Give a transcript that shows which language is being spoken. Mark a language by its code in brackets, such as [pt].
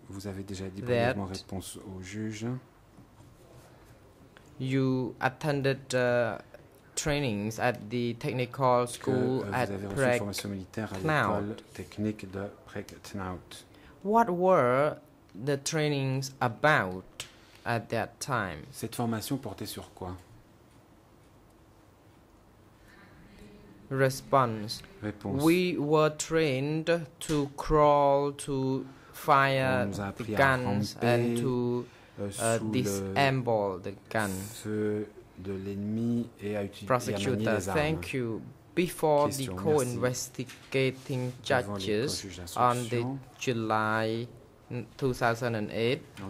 [fr] Vous avez déjà dit brièvement réponse au juge. [en] You attended trainings at the technical school at Prague-Knaut. What were the trainings about at that time? [fr] Cette formation portait sur quoi? [en] Response. [fr] Réponse. [en] We were trained to crawl, to fire guns, and to disassemble the gun. [fr] Feu de l'ennemi et à utiliser les armes. [en] Prosecutor, thank you. Before the co-investigating judges on the July 2008.